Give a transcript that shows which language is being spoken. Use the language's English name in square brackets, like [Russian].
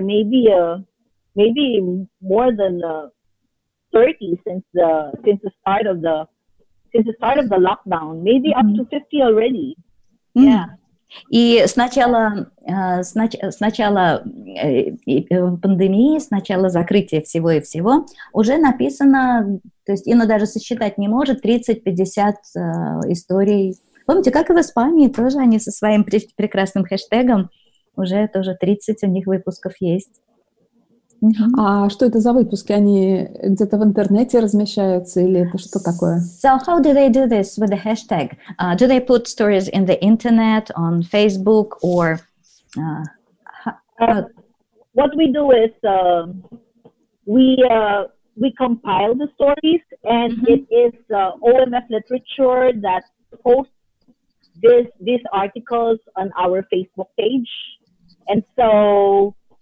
[English] Maybe more than 30 since the start of the lockdown. Maybe up to 50 already. Mm. Yeah. [Russian] И сначала пандемии, сначала закрытия всего и всего, уже написано, то есть Инна даже сосчитать не может, 30-50 историй. Помните, как и в Испании тоже, они со своим прекрасным хэштегом, уже тоже 30 у них выпусков есть. Mm-hmm. А что это за выпуски? Они где-то в интернете размещаются или это что такое? [English] So how do they do this with the hashtag? Do they put stories in the internet, on Facebook, or what we do is we compile the stories and mm-hmm. it is OMF Literature that posts these articles on our Facebook page, and so.